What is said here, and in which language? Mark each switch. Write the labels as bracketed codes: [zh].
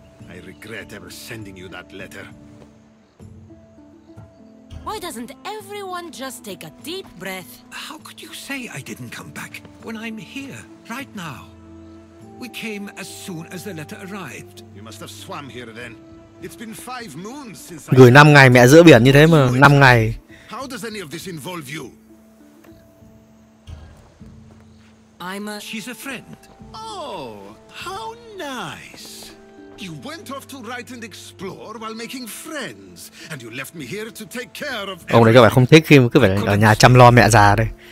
[en] I regret ever sending you that letter. Why doesn't everyone just take a deep breath? How could you say I didn't come back when I'm here right now? We came as soon as the letter arrived. You must have swam here then. It's been 5 moons since [vi] I... Gửi 5 ngày mẹ giữa biển như thế mà, 5 ngày. [en] How does any of this involve you? I'm a... She's a friend. Oh, how nice. You went off to write and explore while making friends, and you left me here to take care of... [vi] Ông đấy các bạn không thích khi mà cứ phải ở nhà chăm lo mẹ già đây.